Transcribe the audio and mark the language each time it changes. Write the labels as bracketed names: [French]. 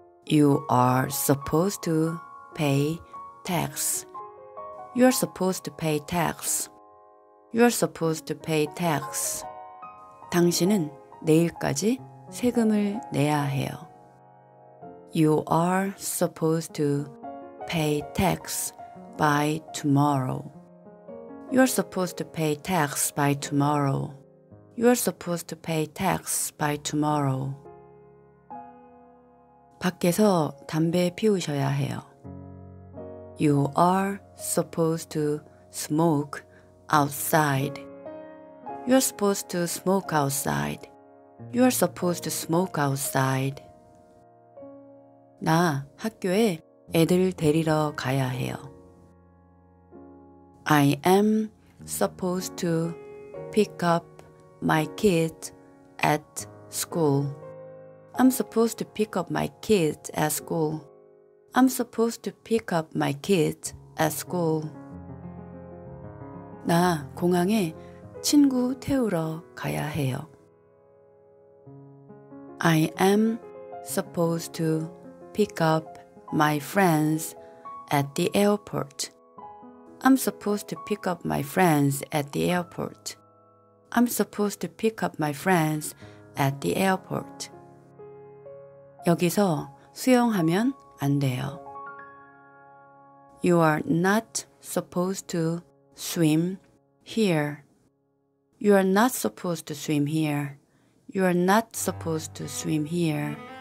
[English] You are supposed to pay tax. You're supposed to pay tax. You're supposed to pay tax. [Korean] 당신은 내일까지 세금을 내야 해요. [English] You are supposed to pay tax by tomorrow. You're supposed to pay tax by tomorrow. You're supposed to pay tax by tomorrow. [Korean] 밖에서 담배 피우셔야 해요. [English] You are supposed to smoke outside. You're supposed to smoke outside. You're supposed to smoke outside. [Korean] 나 학교에 애들 데리러 가야 해요. [English] I am supposed to pick up my kid at school. I'm supposed to pick up my kid at school. I'm supposed to pick up my kid at school. [Korean] 나 공항에 친구 태우러 가야 해요. [English] I am supposed to pick up my friends at the airport. I'm supposed to pick up my friends at the airport. I'm supposed to pick up my friends at the airport. [Korean] 여기서 수영하면 안 돼요. [English] You are not supposed to swim here. You are not supposed to swim here. You are not supposed to swim here.